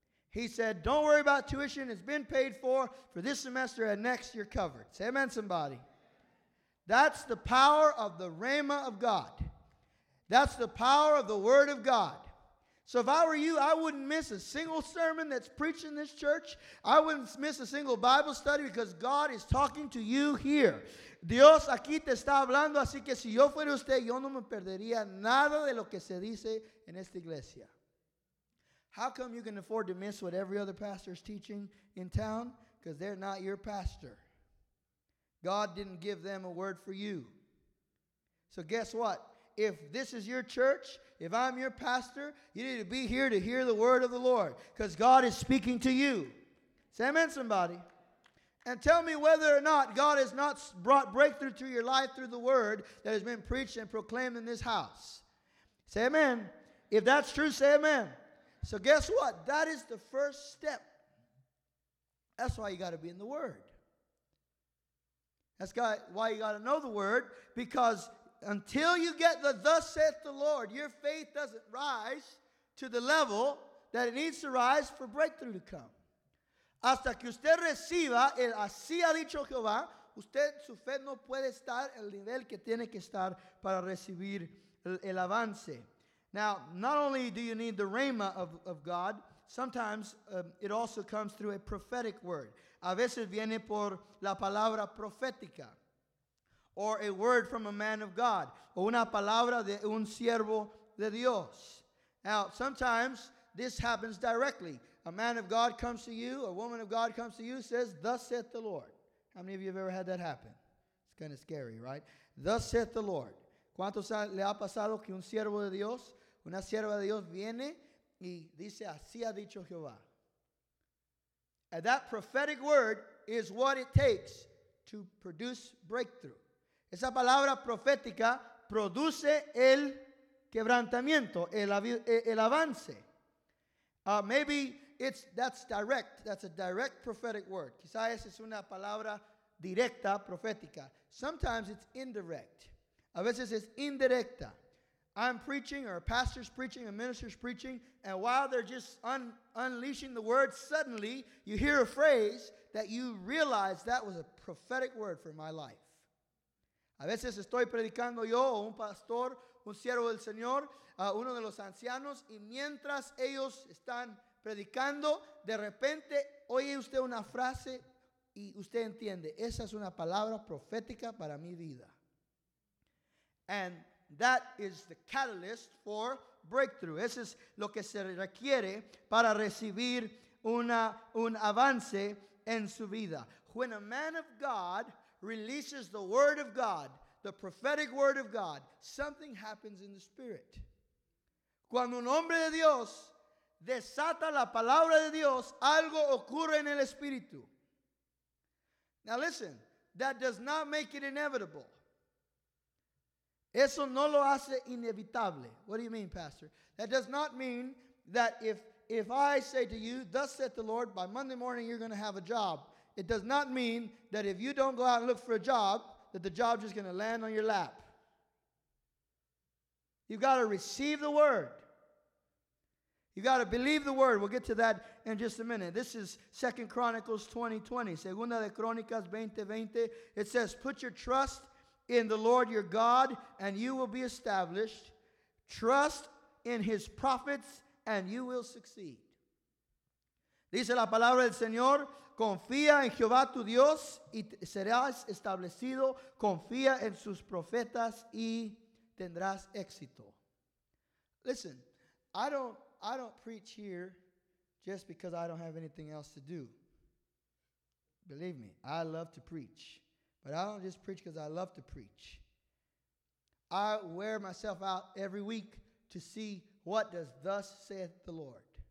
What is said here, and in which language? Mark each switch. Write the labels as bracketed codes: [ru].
[en] He said, don't worry about tuition. It's been paid for this semester and next, you're covered. Say amen, somebody. That's the power of the rhema of God. That's the power of the word of God. So if I were you, I wouldn't miss a single sermon that's preached in this church. I wouldn't miss a single Bible study because God is talking to you here. [es] Dios aquí te está hablando, así que si yo fuera usted, yo no me perdería nada de lo que se dice en esta iglesia. [en] How come you can afford to miss what every other pastor is teaching in town? Because they're not your pastor. God didn't give them a word for you. So guess what? If this is your church, if I'm your pastor, you need to be here to hear the word of the Lord. Because God is speaking to you. Say amen, somebody. And tell me whether or not God has not brought breakthrough to your life through the word that has been preached and proclaimed in this house. Say amen. If that's true, say amen. So guess what? That is the first step. That's why you got to be in the word. That's why you got to know the word, because until you get the thus saith the Lord, your faith doesn't rise to the level that it needs to rise for breakthrough to come. [es] Hasta que usted reciba el así ha dicho Jehová, usted, su fe no puede estar el nivel que tiene que estar para recibir el avance. [en] Now, not only do you need the rhema of God, sometimes it also comes through a prophetic word. [es] A veces viene por la palabra profética, [en] or a word from a man of God, [es] o una palabra de un siervo de Dios. [en] Now, sometimes this happens directly. A man of God comes to you, a woman of God comes to you, says, thus saith the Lord. How many of you have ever had that happen? It's kind of scary, right? Thus saith the Lord. [es] ¿Cuántos le ha pasado que un siervo de Dios, una sierva de Dios viene y dice, así ha dicho Jehová? [en] And that prophetic word is what it takes to produce breakthrough. [es] Esa palabra profética produce el quebrantamiento, el avance. [en] Maybe that's direct. That's a direct prophetic word. [es] Quizás es una palabra directa, profética. [en] Sometimes it's indirect. [es] A veces es indirecta. [en] I'm preaching, or a pastor's preaching, a minister's preaching, and while they're just unleashing the word, suddenly you hear a phrase that you realize that was a prophetic word for my life. [es] A veces estoy predicando yo, un pastor, un siervo del Señor, uno de los ancianos, y mientras ellos están predicando, de repente oye usted una frase y usted entiende, esa es una palabra profética para mi vida. [en] And that is the catalyst for breakthrough. [es] Eso es lo que se requiere para recibir un avance en su vida. [en] When a man of God releases the word of God, the prophetic word of God, something happens in the spirit. [es] Cuando un hombre de Dios desata la palabra de Dios, algo ocurre en el espíritu. [en] Now listen, that does not make it inevitable. [es] Eso no lo hace inevitable. [en] What do you mean, Pastor? That does not mean that if I say to you, thus saith the Lord, by Monday morning you're going to have a job. It does not mean that if you don't go out and look for a job, that the job is going to land on your lap. You've got to receive the word. You got to believe the word. We'll get to that in just a minute. This is 2 Chronicles 20:20. [es] Segunda de Crónicas 20:20. [en] It says, put your trust in the Lord your God, and you will be established. Trust in his prophets, and you will succeed. [es] Dice la palabra del Señor, confía en Jehová tu Dios, y serás establecido. Confía en sus profetas, y tendrás éxito. [en] Listen, I don't preach here just because I don't have anything else to do. Believe me, I love to preach. But I don't just preach because I love to preach. I wear myself out every week to see what does thus saith the Lord.